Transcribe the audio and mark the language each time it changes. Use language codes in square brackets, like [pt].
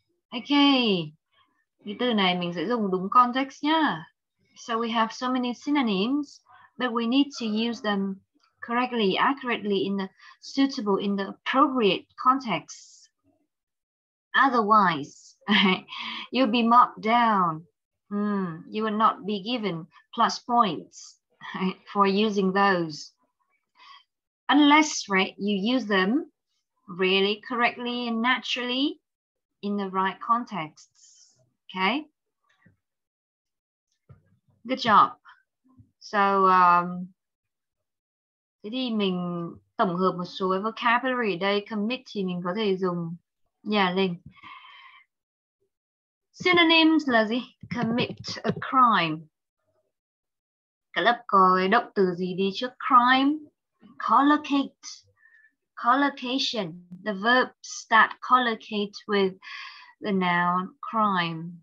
[vi] Okay, cái từ này mình sẽ dùng đúng context nhá. [en] So we have so many synonyms, but we need to use them correctly, accurately, in the suitable, in the appropriate context. Otherwise, you'll be marked down. You will not be given plus points for using those. Unless, right, you use them really correctly and naturally, in the right contexts, okay? Good job. [vi] So, thế thì mình tổng hợp một số vocabulary ở đây. Commit thì mình có thể dùng nhà linh. Synonyms là gì? [en] Commit a crime. [vi] Cả lớp có động từ gì đi trước crime? [en] Collocate. Collocation, the verbs that collocate with the noun crime.